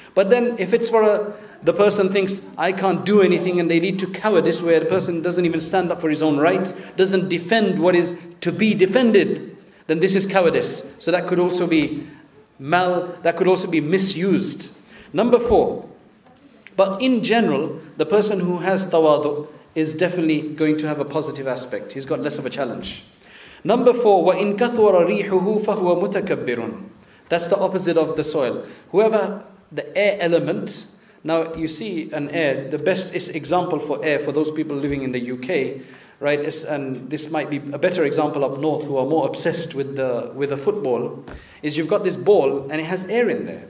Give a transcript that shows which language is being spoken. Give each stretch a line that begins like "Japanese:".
English: But then if it's for the person thinks, I can't do anything, and they lead to cowardice, where the person doesn't even stand up for his own right, doesn't defend what is to be defended, then this is cowardice. So that could also be that could also be misused. Number four, but in general, the person who has tawadu is definitely going to have a positive aspect. He's got less of a challenge. Number four,
Arabic: وَإِن كَثُورَ رِيحُهُ فَهُوَ مُتَكَبِّرٌ.
English: That's the opposite of the soil. Whoever, the air element, now you see an air, the best is example for air for those people living in the UK, right? And this might be a better example up north who are more obsessed with the football, is you've got this ball and it has air in there.